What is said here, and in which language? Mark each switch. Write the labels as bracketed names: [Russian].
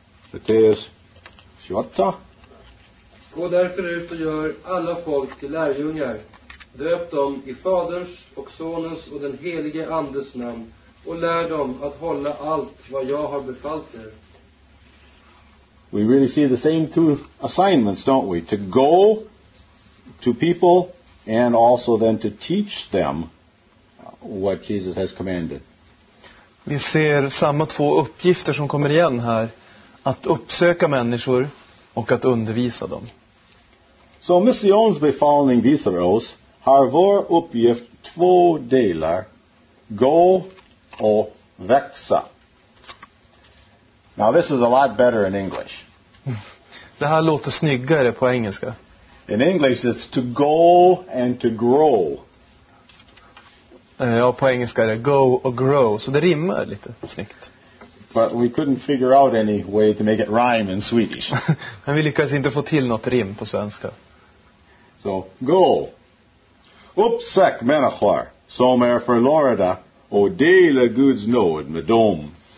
[Swedish] Matteus 28. Gå därför ut och gör alla folk till lärjungar. Döp dem i Faderns och Sonens och den helige Andes namn och lär dem att hålla allt vad jag har befallt er. [English] We really see the same two assignments, don't we? To go to people and also then to teach them what Jesus has commanded. [Swedish] Vi ser samma två uppgifter som kommer igen här. Att uppsöka människor och att undervisa dem. So missionsbefallning visar oss har vår uppgift två delar. Go och växa. [English] Now this is a lot better in English. [Swedish] Det här låter snyggare på engelska. [English] In English it's to go and to grow. [Swedish] Ja, på engelska är det go och grow. Så det rimmar lite snyggt. [English] But we couldn't figure out any way to make it rhyme in Swedish. [Swedish] Men vi lyckades inte få till något rim på svenska. [English] So, go. [Swedish] Uppsäck människor som är förlorade och dela Guds nåd med dem.